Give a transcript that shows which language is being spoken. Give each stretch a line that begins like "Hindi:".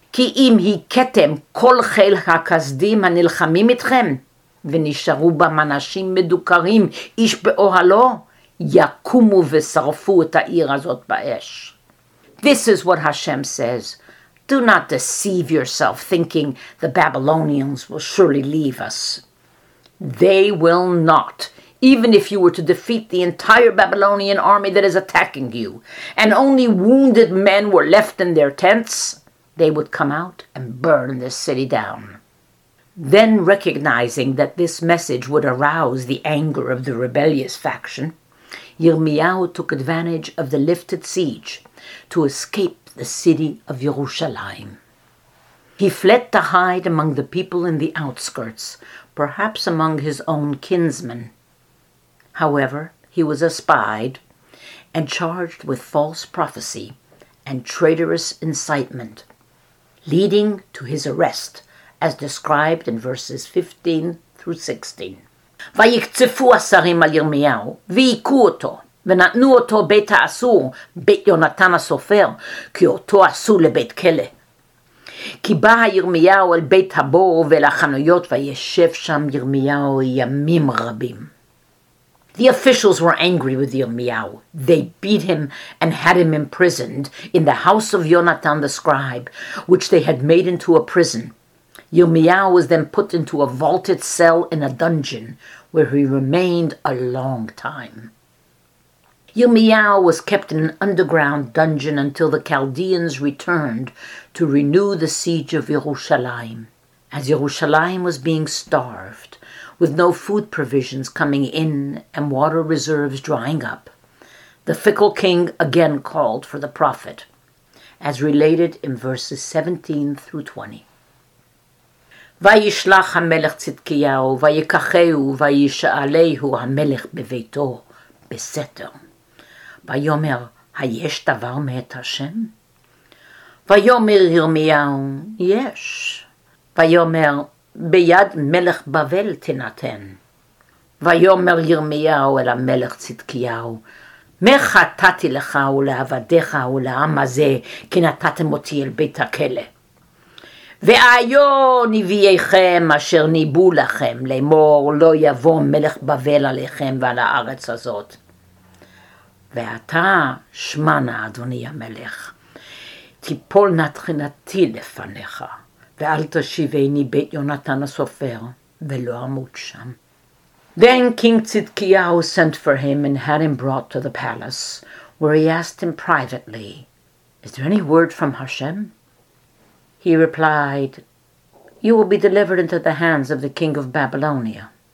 Hebrew: Ki im hiketem kol chel hakasdim hanilchamim itchem, ונשארו בם אנשים מדוכרים, איש באוהלו, יקומו ושרפו את העיר הזאת באש.
English: This is what Hashem says. Do not deceive yourself thinking the Babylonians will surely leave us. They will not, even if you were to defeat the entire Babylonian army that is attacking you, and only wounded men were left in their tents, they would come out and burn this city down. Then, recognizing that this message would arouse the anger of the rebellious faction, Yirmiyahu took advantage of the lifted siege to escape the city of Yerushalayim. He fled to hide among the people in the outskirts, perhaps among his own kinsmen. However, he was espied and charged with false prophecy and traitorous incitement, leading to his arrest, as described in verses 15 through 16.
Hebrew: ויקצפו השרים על ירמיהו, ויקו אותו, ונתנו אותו בית האסור, בית יונתן הסופר, כי אותו עשו לבית כלא. כי בא ירמיהו אל בית הבור ואל החנויות, וישב שם ירמיהו ימים רבים.
English: The officials were angry with Yirmiyahu. They beat him and had him imprisoned in the house of Yonatan the scribe, which they had made into a prison. Yirmiyahu was then put into a vaulted cell in a dungeon, where he remained a long time. Yirmiyahu was kept in an underground dungeon until the Chaldeans returned to renew the siege of Yerushalayim. As Yerushalayim was being starved, with no food provisions coming in and water reserves drying up, the fickle king again called for the prophet, as related in verses 17 through 20.
Hebrew: וישלח המלך צדקיהו, ויקחהו, וישאלהו המלך בביתו, בסתר. ויאמר, היש דבר מאת השם? ויאמר ירמיהו, יש. ויאמר, ביד מלך בבל תנתן. ויאמר ירמיהו אל המלך צדקיהו, מה חטאתי לך ולעבדיך ולעם הזה, כי נתתם אותי אל בית הכלא? ואיו נביאיכם אשר ניבו לכם, לאמור לא יבוא מלך בבל עליכם ועל הארץ הזאת. ואתה שמענה אדוני המלך, תיפול נתחנתי לפניך, ואל תשיבני בית יונתן הסופר, ולא עמוד שם.
English: Then King Zedekiah sent for him and had him brought to the palace, where he asked him privately, Is there any word from Hashem? He replied, You will be delivered into the hands of the king of Babylonia.